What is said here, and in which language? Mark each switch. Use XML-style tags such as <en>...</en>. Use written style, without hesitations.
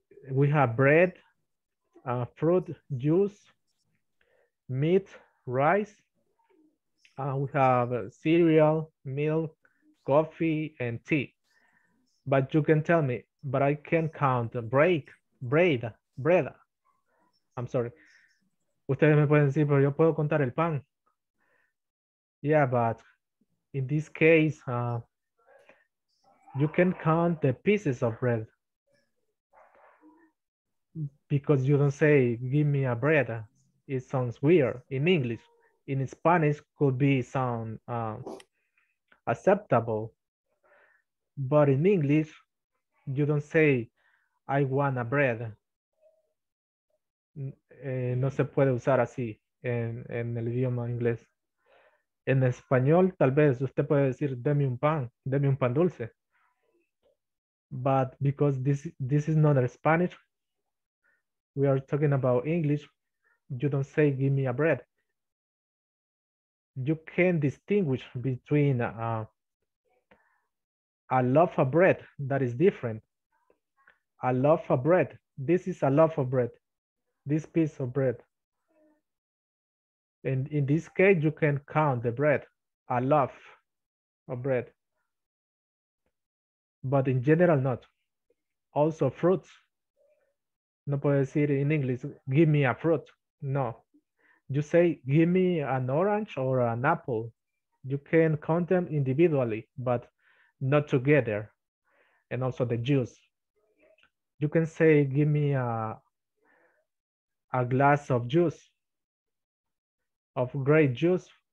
<en>We have bread, fruit, juice, meat, rice. We have cereal, milk, coffee, and tea. But you can tell me, but I can count bread. I'm sorry.</en> <es>Ustedes me pueden decir, pero yo puedo contar el pan.</es> <en>Yeah, but in this case, you can count the pieces of bread because you don't say, give me a bread. It sounds weird in English. In Spanish could be sound acceptable, but in English, you don't say, I want a bread.</en> <es>No se puede usar así en el idioma inglés. En español, tal vez usted puede decir, deme un pan dulce.</es> <en>But because this is not Spanish, we are talking about English, you don't say, give me a bread. You can distinguish between a loaf of bread that is different. A loaf of bread, this is a loaf of bread, this piece of bread. And in this case, you can count the bread, a loaf of bread. But in general, not. Also fruits.</en> <es>No puede decir</es> <en>in English, give me a fruit. No. You say, give me an orange or an apple. You can count them individually, but not together. And also the juice. You can say, give me a glass of juice, of grape juice.</en>